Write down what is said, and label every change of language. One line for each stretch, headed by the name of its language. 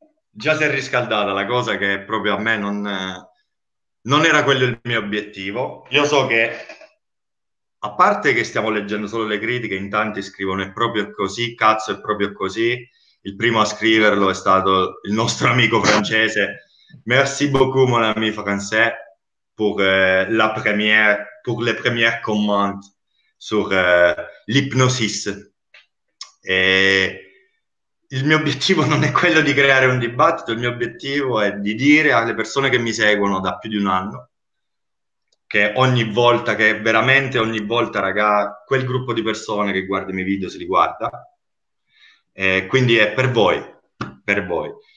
Italian: già si è riscaldata la cosa, che proprio a me non era quello il mio obiettivo. Io so che, a parte che stiamo leggendo solo le critiche, in tanti scrivono è proprio così, cazzo è proprio così. Il primo a scriverlo è stato il nostro amico francese.
French: Merci beaucoup, mon ami français, pour les premières commentaires sur l'hypnosis.
Italian: Il mio obiettivo non è quello di creare un dibattito, il mio obiettivo è di dire alle persone che mi seguono da più di un anno, che ogni volta, che veramente ogni volta, raga, quel gruppo di persone che guarda i miei video se li guarda, quindi è per voi, per voi.